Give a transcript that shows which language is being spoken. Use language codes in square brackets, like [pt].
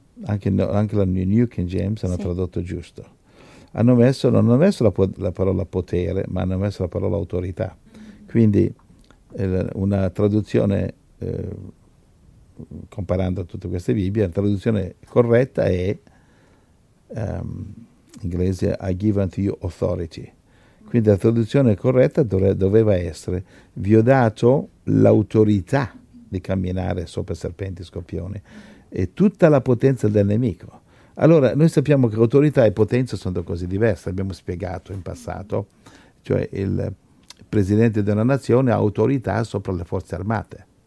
[it] Anche la New King James hanno, sì, tradotto giusto. Hanno messo, non hanno messo la parola potere, ma hanno messo la parola autorità. Quindi una traduzione, comparando tutte queste Bibbie, la traduzione corretta è... [en] inglese, I give unto you authority. [it] Quindi la traduzione corretta doveva essere: vi ho dato l'autorità di camminare sopra serpenti e scorpioni e tutta la potenza del nemico. Allora, noi sappiamo che autorità e potenza sono due cose diverse, abbiamo spiegato in passato, cioè il presidente di una nazione ha autorità sopra le forze armate.